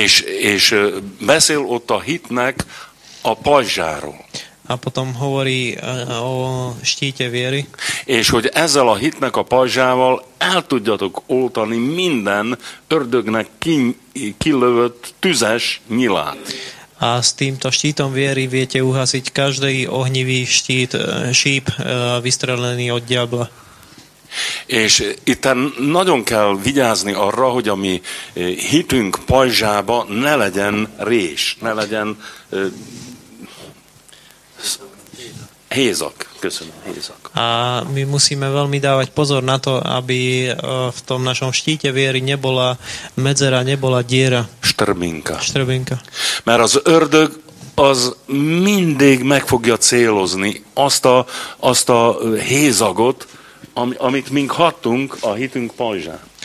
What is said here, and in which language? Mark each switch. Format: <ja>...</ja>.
<hu>És beszél ott a hitnek a pajzsáról.</hu> <sk>A potom hovorí o štíte viery.</sk> <hu>És hogy ezzel a hitnek a pajzsával el tudjatok oltani minden ördögnek kilövött tüzes nyilát.</hu> <sk>A s týmto štítom viery viete uhasiť každý ohnivý štít, šíp vystrelený od diabla.</sk> <hu>És itt nagyon kell vigyázni arra, hogy a mi hitünk pajzsába ne legyen rés, ne legyen hézak, köszönöm, hézak.</hu> <sk>A my musíme veľmi dávať pozor na to, aby v tom našom štíte viery nebola medzera, nebola diera. Štrbinka.</sk> <hu>Mert az ördög az mindig meg fogja célozni azt a hézagot, amit mink hattunk a hitünk pajzsán.</hu>